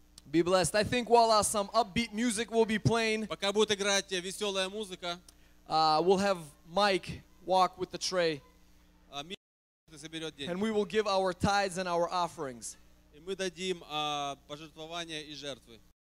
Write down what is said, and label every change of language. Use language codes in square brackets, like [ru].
[en] Be blessed. I think while some upbeat music will be playing, [ru] пока будет играть веселая музыка, [en] we'll have Mike walk with the tray, and we will give our tithes and our offerings. [ru] И мы дадим пожертвования и жертвы.